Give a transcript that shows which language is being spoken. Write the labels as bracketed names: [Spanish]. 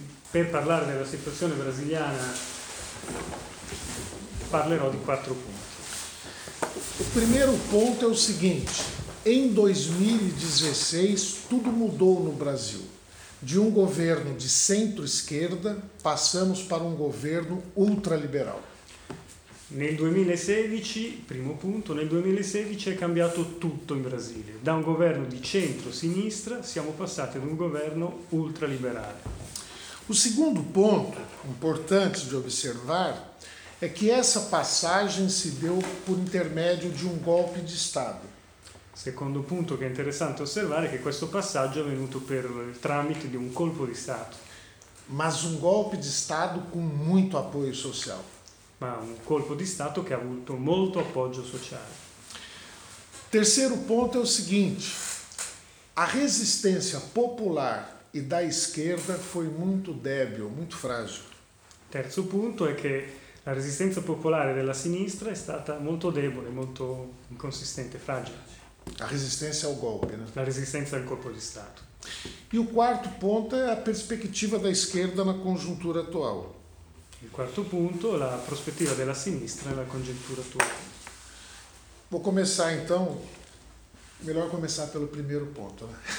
[Italian] Per parlare della situazione brasiliana parlerò di quattro punti. [Portuguese] O primeiro ponto é o seguinte: em 2016 tudo mudou no Brasil. De um governo de centro-esquerda passamos para um governo ultraliberal. [Italian] Nel 2016, primo punto, nel 2016 è cambiato tutto in Brasile. Da un governo di centro-sinistra siamo passati ad un governo ultraliberale. [Portuguese] O segundo ponto importante de observar é que essa passagem se deu por intermédio de um golpe de Estado. Segundo ponto que é interessante observar é que [Italian] questo passaggio è venuto per il tramite di un colpo di Stato. [Portuguese] Mas um golpe de Estado com muito apoio social. [Italian] Ma un colpo di Stato che ha avuto molto appoggio sociale. [Portuguese] Terceiro ponto é o seguinte: a resistência popular e da esquerda foi muito débil, muito frágil. [Italian] Terzo punto è che la resistenza popolare della sinistra è stata molto debole, molto inconsistente, fragile. [Portuguese] A resistência ao golpe, né? [Italian] La resistenza al colpo di Stato. [Portuguese] E o quarto ponto è a perspectiva da esquerda na conjuntura atual. [Italian] Il quarto punto, la prospettiva della sinistra nella congiuntura attuale. [Portuguese] Vou começar então, melhor começar pelo primeiro ponto, né?